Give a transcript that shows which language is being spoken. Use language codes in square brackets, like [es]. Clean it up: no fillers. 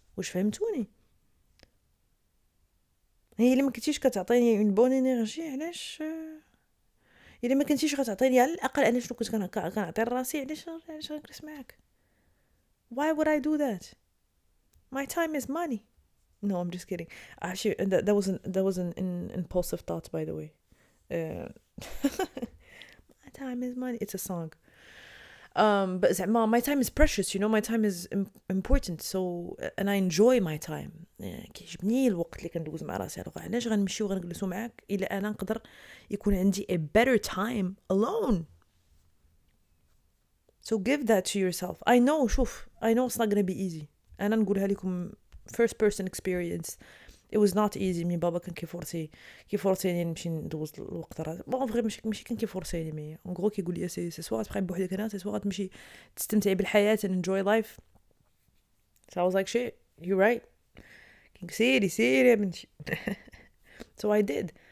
[ar] واش فهمتوني؟ هي اللي ما كنتيش كتعطيني اون بون انرجي، علاش الا ما كنتيش غتعطيني على الاقل انا شنو كنت كنعطي لراسي، علاش غنجلس معاك؟ [en] Why would I do that? My time is money. No, I'm just kidding. Actually, that was an impulsive thought, by the way. my time is money. It's a song. But زعما, my time is precious. You know, my time is important. So, and I enjoy my time. [ar] كيعجبني الوقت اللي كندوز مع راسي. علاش غنمشي وغنجلس معاك الا انا نقدر يكون عندي [en] a better time alone. So give that to yourself. I know, شوف, I know it's not going to be easy. [ar] أنا نقولها لكم [en] first person experience. It was not easy. [ar] مي بابا كان كيفورسيني نمشي ندوز الوقت راه. بون فري ماشي كان كيفورسيني مي. اون غرو كيقول لي سي سي سوار تبقاي بوحدك هنا، سي سوار تمشي تستمتعي بالحياة [en] and enjoy life. So I was like shit, you're right. [ar] سيري سيري يا بنتي. [en] So I did.